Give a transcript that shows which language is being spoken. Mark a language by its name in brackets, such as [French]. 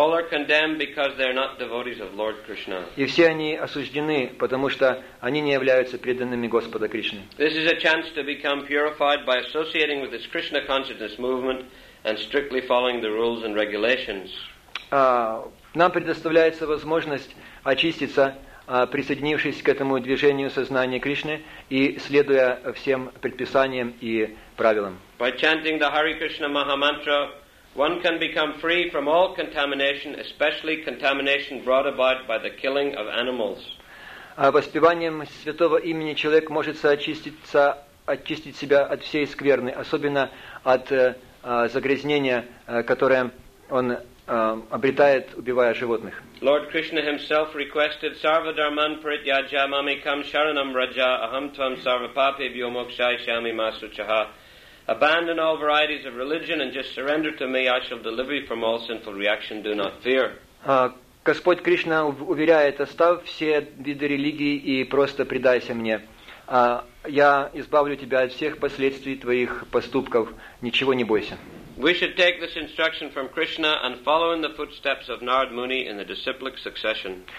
[English] All are condemned because they are not devotees of Lord Krishna. [Russian] И все они осуждены, потому что они не являются преданными Господа Кришны. [English] This is a chance to become purified by associating with this Krishna consciousness movement and strictly following the rules and regulations. [Russian] Нам предоставляется возможность очиститься, присоединившись к этому движению сознания Кришны и следуя всем предписаниям и правилам. [English] By chanting the Hare Krishna Maha Mantra, one can become free from all contamination, especially contamination brought about by the killing of animals. [Russian] Воспеванием святого имени человек может очистить себя от всей скверны, особенно от загрязнения, которое он обретает, убивая животных. [English] Lord Krishna himself requested [Sanskrit] Sarva Dharman Parityajya Mami Kam Sharanam Raja Aham Tvam Sarva Papi Vyo Mokshai Shami Masu Chaha. [English] Abandon all varieties of religion and just surrender to me. I shall deliver you from all sinful reaction. Do not fear. [Russian] Господь Кришна уверяет: оставь все виды религии и просто предайся мне. Я избавлю тебя от всех последствий твоих поступков. Ничего не бойся. [English] We should take this instruction from Krishna and follow in the footsteps of Narad Muni in the disciplic succession.